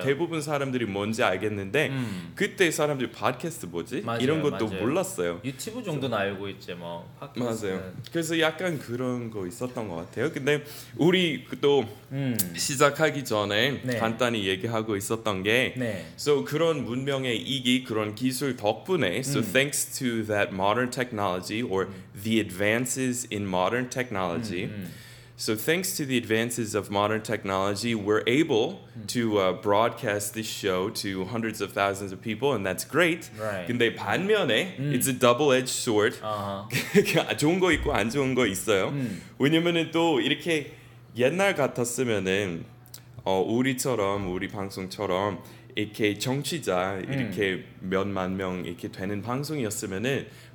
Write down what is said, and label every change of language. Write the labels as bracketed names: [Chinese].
[Korean] 대부분 사람들이 뭔지 알겠는데 그때 사람들이 팟캐스트 뭐지? 맞아요, 이런 것도 맞아요. 몰랐어요. 유튜브 정도는 그래서, 알고 있지 뭐 팟캐스트는. 맞아요. 그래서 약간 그런 거 있었던 것 같아요. 근데 우리 또 시작하기 전에 네. 간단히 얘기하고 있었던 게 네. [English] so [Korean] 그런 문명의 이기 그런 기술 덕분에 [English] so thanks to that modern technology or the advances in modern technology So thanks to the advances of modern technology, we're able to broadcast this show to hundreds of thousands of people, and that's great. Right. [Korean] 근데 반면에 [English] it's a double-edged sword. Uh-huh. [Korean] 좋은 거 있고 안 좋은 거 있어요. 왜냐면은 또 이렇게 옛날 같았으면은 우리처럼 우리 방송처럼 이렇게 청취자 이렇게 몇만 명 이렇게 되는 방송이었으면은.